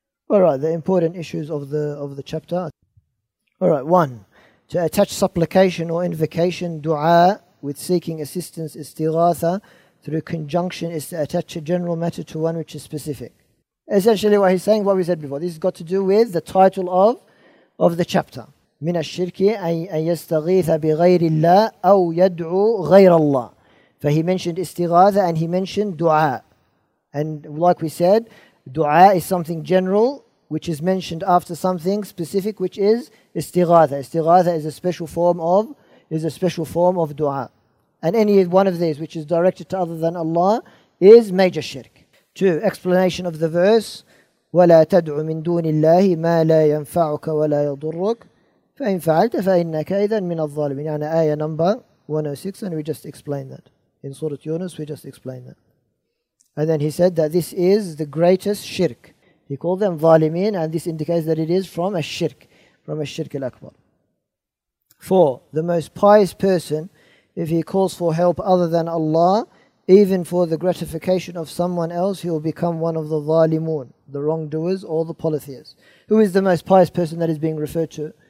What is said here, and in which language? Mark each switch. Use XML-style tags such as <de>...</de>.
<en>Alright, the important issues of the chapter. Alright, one, to attach supplication or invocation, dua, with seeking assistance, istighatha, through conjunction, is to attach a general matter to one which is specific. Essentially what he's saying, what we said before, this has got to do with the title of the chapter.</en> <ar>من الشرك أن يستغيث بغير الله أو يدعو غير الله.</ar> <en>For he mentioned استغاثة and he mentioned dua. And like we said, dua is something general which is mentioned after something specific, which is استغاثة. استغاثة is a special form of dua. And any one of these which is directed to other than Allah is major shirk. Two, explanation of the verse.</en> <ar>وَلَا تَدْعُ مِن دُونِ اللَّهِ مَا لَا يَنْفَعُكَ وَلَا يَضُرُّكَ فَإِنْ فَعَلْتَ فَإِنَّكَ إِذًا مِنَ الظَّالِمِينَ يعني آية</ar> <en>number 106, and we just explained that. In Surah Yunus, we just explained that. And then he said that this is the greatest shirk. He called them ظالمين, and this indicates that it is from a shirk al-akbar. Four, the most pious person, if he calls for help other than Allah, even for the gratification of someone else, he will become one of the ظالمون, the wrongdoers or the polytheists. Who is the most pious person that is being referred to?</en>